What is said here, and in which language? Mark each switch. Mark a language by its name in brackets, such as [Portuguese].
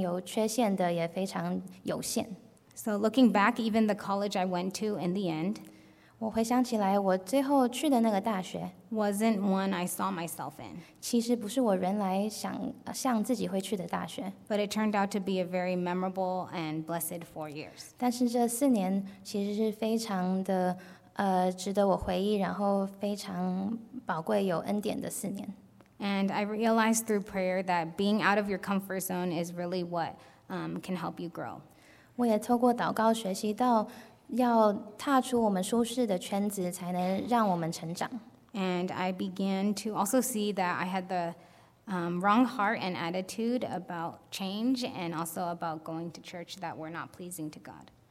[Chinese] 那我自己的角度、观点还有想法和想要的，其实是都是非常有缺陷的，也非常有限。 [English] So looking back, even the college I went to in the end, [Chinese] 我回想起来，我最后去的那个大学 [English] wasn't one I saw myself in. [Chinese] 其实不是我原来想去的大学。 [English] But it turned out to be a very memorable and blessed 4 years. [Chinese] 但是这4年其实是非常的值得我回忆，然后非常宝贵有恩典的4年。 [English] And I realized through prayer that being out of your comfort zone is really what can help you grow. [Chinese] 我也透过祷告学习到 要踏出我们舒适的圈子，才能让我们成长。 [English] And I began to also see that I had the wrong heart and attitude about change and also about going to church that were not pleasing to God.